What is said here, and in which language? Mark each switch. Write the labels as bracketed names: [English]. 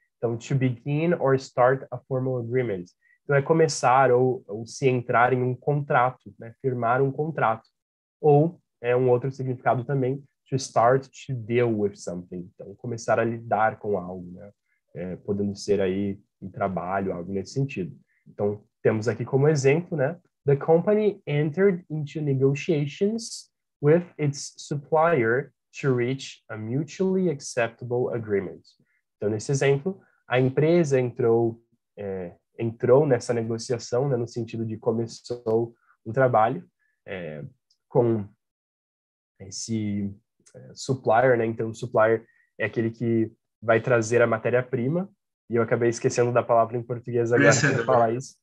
[Portuguese] Então, [English] to begin or start a formal agreement. [Portuguese] Então, é começar ou se entrar em um contrato, né? Firmar um contrato. Ou, é um outro significado também, [English] to start to deal with something. [Portuguese] Então, começar a lidar com algo, né? É, podendo ser aí um trabalho, algo nesse sentido. Então, temos aqui como exemplo, né? [English] The company entered into negotiations with its supplier to reach a mutually acceptable agreement. [Portuguese] Então, nesse exemplo, a empresa entrou nessa negociação, né, no sentido de começou o trabalho com esse supplier, né? Então, o supplier é aquele que vai trazer a matéria-prima, e eu acabei esquecendo da palavra em português agora para falar isso.